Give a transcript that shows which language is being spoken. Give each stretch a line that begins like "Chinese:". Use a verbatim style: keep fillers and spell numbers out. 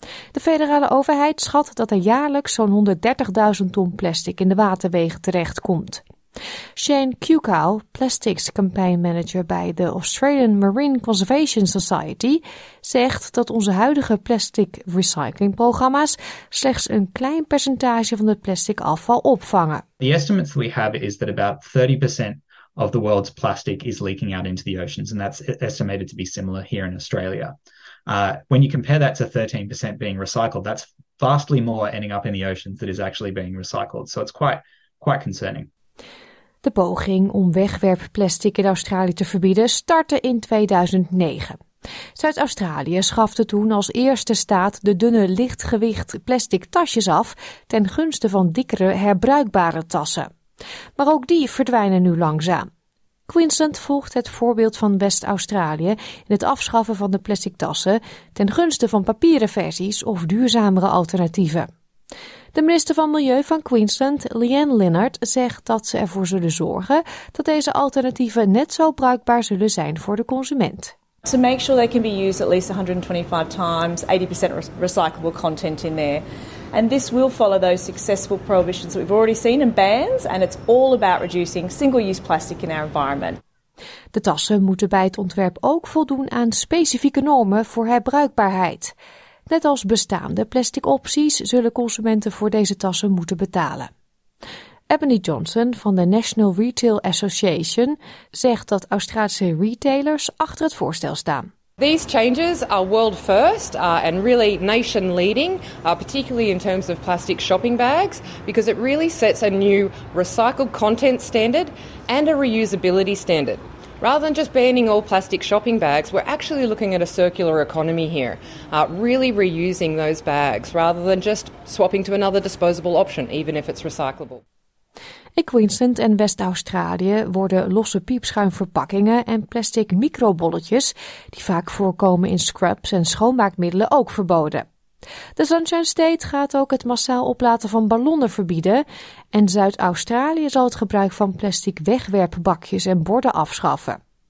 Dutch: De federale overheid schat dat er jaarlijks zo'n honderddertigduizend ton plastic in de waterwegen terechtkomt. Shane Kukow, Plastics Campaign Manager bij de Australian Marine Conservation Society, zegt dat onze huidige plastic recyclingprogramma's slechts een klein percentage van het plastic afval opvangen.
English: The estimates we have is that about thirty percent of the world's plastic is leaking out into the oceans, and that's estimated to be similar here in Australia. Uh, when you compare that to thirteen percent being recycled, that's vastly more ending up in the oceans that is actually being recycled. So it's quite, quite concerning.
Dutch: De poging om wegwerpplastic in Australië te verbieden startte in tweeduizend negen. Zuid-Australië schafte toen als eerste staat de dunne lichtgewicht plastic tasjes af ten gunste van dikkere herbruikbare tassen. Maar ook die verdwijnen nu langzaam. Queensland volgt het voorbeeld van West-Australië in het afschaffen van de plastic tassen ten gunste van papieren versies of duurzamere alternatieven. De minister van Milieu van Queensland, Leanne Linnard, zegt dat ze ervoor zullen zorgen dat deze alternatieven net zo bruikbaar zullen zijn voor de consument.
English: To make sure they can be used at least one hundred twenty-five times, eighty percent re- recyclable content in there. And this will follow those successful prohibitions that we've already seen and bans, and it's all about reducing single-use plastic in our environment.
Dutch: De tassen moeten bij het ontwerp ook voldoen aan specifieke normen voor herbruikbaarheid. Net als bestaande plastic opties zullen consumenten voor deze tassen moeten betalen. Ebony Johnson van de National Retail Association zegt dat Australische retailers achter het voorstel staan.
English: These changes are world first uh, and really nation leading, uh, particularly in terms of plastic shopping bags, because it really sets a new recycled content standard and a reusability standard. Rather than just banning all plastic shopping bags, we're actually looking at a circular economy here, uh, really reusing those bags rather than just swapping to another disposable option, even if it's recyclable.
Dutch: In Queensland en West-Australië worden losse piepschuimverpakkingen en plastic microbolletjes, die vaak voorkomen in scrubs en schoonmaakmiddelen, ook verboden. De Sunshine State gaat ook het massaal oplaten van ballonnen verbieden en Zuid-Australië zal het gebruik van plastic wegwerpbakjes en borden afschaffen.